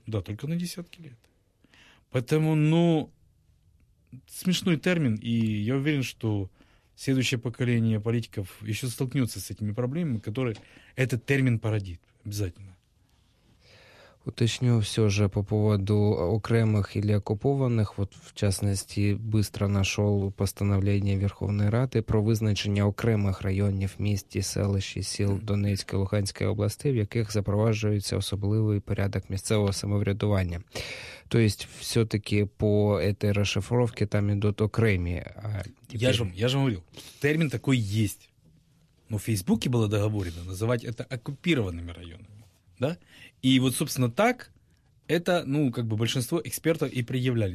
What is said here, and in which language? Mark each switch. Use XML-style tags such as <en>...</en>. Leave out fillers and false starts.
<ru>Да, только на десятки лет. Поэтому, ну, смешной термин, и я уверен, что следующее поколение политиков еще столкнется с этими проблемами, которые этот термин породит обязательно. Уточню все же по поводу окремых или окупованных. Вот, в частности, быстро нашел постановление Верховной Рады</ru> <uk>про визначення окремих районів, міст, селищ і сіл Донецької, Луганської областей, в яких запроваджується особливий порядок місцевого самоврядування.</uk> <ru>То есть, все-таки по этой расшифровке там идут окремі. А теперь... Я же вам говорил, термин такой есть. Но в Фейсбуке было договорено называть это оккупированными районами. Да? И вот, собственно, так это, ну, как бы большинство экспертов и предъявляли.</ru>